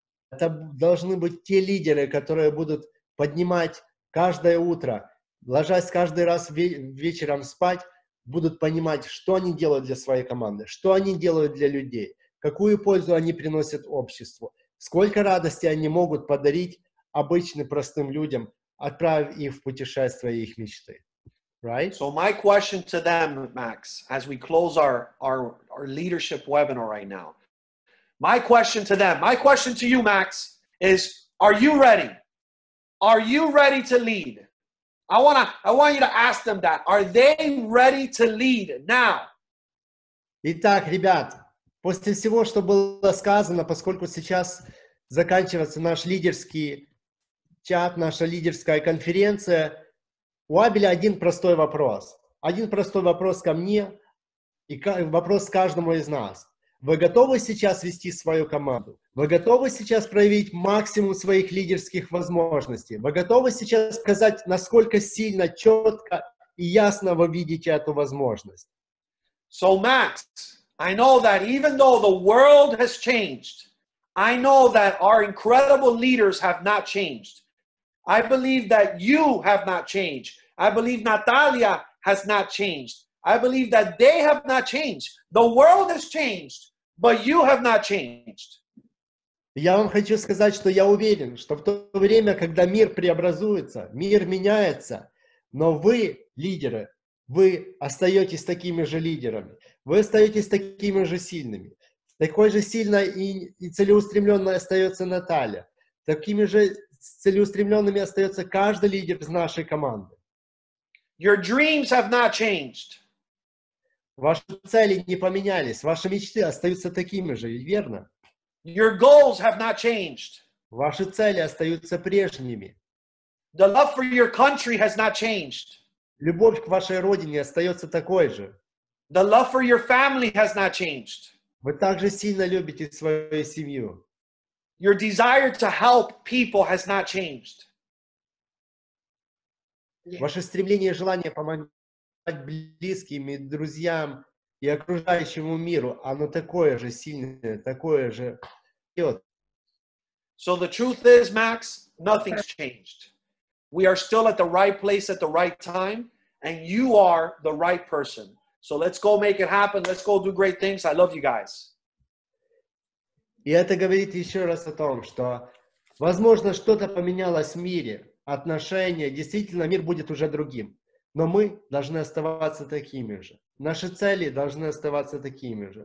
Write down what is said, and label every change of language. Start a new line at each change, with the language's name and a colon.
Russian: Это должны быть те лидеры, которые будут поднимать каждое утро, ложась каждый раз вечером спать, будут понимать, что они делают для своей команды, что они делают для людей, какую пользу они приносят обществу, сколько радости они могут подарить обычным простым людям, отправив их в путешествие их мечты.
English: Right? So my question to them, Max, as we close our leadership webinar right now, my question to them, my question to you, Max, is, are you ready? Are you ready to lead? I want you to ask them that. Are they ready to lead now?
Russian: Итак, ребят, после всего, что было сказано, поскольку сейчас заканчивается наш лидерский чат, наша лидерская конференция, у Абеля один простой вопрос. Один простой вопрос ко мне и вопрос каждому из нас. Вы готовы сейчас вести свою команду? Вы готовы сейчас проявить максимум своих лидерских возможностей? Вы готовы сейчас сказать, насколько сильно, четко и ясно вы видите эту возможность?
English: So, Max, I know that even though the world has changed, I know that our incredible leaders have not changed. I believe that you have not changed. I believe Natalia has not changed. I believe that they have not changed. The world has changed, but you have not changed.
Russian: Я вам хочу сказать, что я уверен, что в то время, когда мир преобразуется, мир меняется, но вы, лидеры, вы остаетесь такими же лидерами, вы остаетесь такими же сильными. Такой же сильной и целеустремленной остается Наталья. Такими же целеустремленными остается каждый лидер из нашей команды.
English: Your dreams have not changed.
Russian: Ваши цели не поменялись, ваши мечты остаются такими же, верно?
English: Your goals have not changed.
Russian: Ваши цели остаются прежними.
English: The love for your country has not changed.
Russian: Любовь к вашей родине остается такой же.
English: The love for your family has not changed.
Russian: Вы также сильно любите свою семью.
English: Your desire to help people has not changed.
Russian: Ваше стремление и желание помогать близким и друзьям и окружающему миру, оно такое же сильное, такое же.
English: So the truth is, Max, nothing's changed. We are still at the right place at the right time, and you are the right person. So let's go make it happen. Let's go do great things. I love you guys.
Russian: И это говорит еще раз о том, что, возможно, что-то поменялось в мире, отношения, действительно, мир будет уже другим. Но мы должны оставаться такими же. Наши цели должны оставаться такими же.